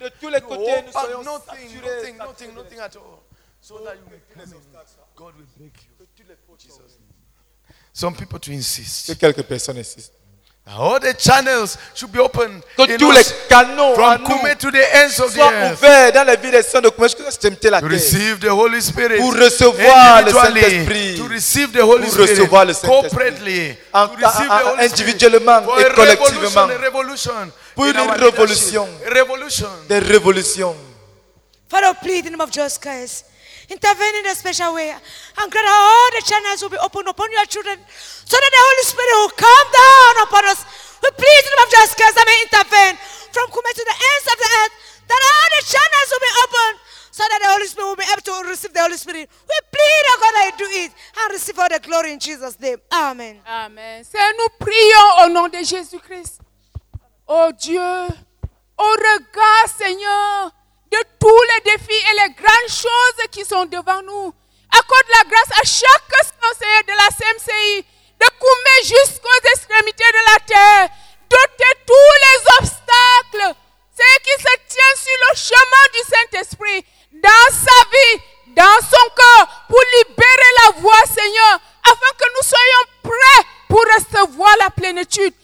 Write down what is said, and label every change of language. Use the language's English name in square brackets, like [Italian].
[English] To hold back nothing at all. So that you may come in, God will break you. Jesus. Some people to insist. [French] Quelques personnes insistent. [English] All the channels should be open. [French] Que tous les canaux [English] from Kume to the ends of the earth. [French] Ouverts dans la vie des saints de Kume jusqu'à l'extrémité de la terre. [English] To receive the Holy Spirit. [French] Pour recevoir le Saint-Esprit. [English] To receive the Holy Spirit. [French] Pour recevoir le Saint-Esprit. [English] Corporately. [French] Individuellement et collectivement. [English] For a revolution. [French] Pour une révolution. [English] Revolution. [French] Des révolutions. [English] Father, plead in the name of Jesus Christ. Intervene in a special way. And grant all the channels will be open upon your children. So that the Holy Spirit will come down upon us. We plead in the name of Jesus Christ that may intervene. From Kume to the ends of the earth. That all the channels will be open. So that the Holy Spirit will be able to receive the Holy Spirit. We plead, oh God, that you do it. And receive all the glory in Jesus' name. Amen. Amen. [French] Seigneur, nous prions au nom de Jésus Christ. Oh Dieu. Oh regard, Seigneur. De tous les défis et les grandes choses qui sont devant nous. Accorde la grâce à chaque conseiller de la CMCI, de Kume jusqu'aux extrémités de la terre, d'ôter tous les obstacles, ceux qui se tiennent sur le chemin du Saint-Esprit, dans sa vie, dans son cœur, pour libérer la voie, Seigneur, afin que nous soyons prêts pour recevoir la plénitude.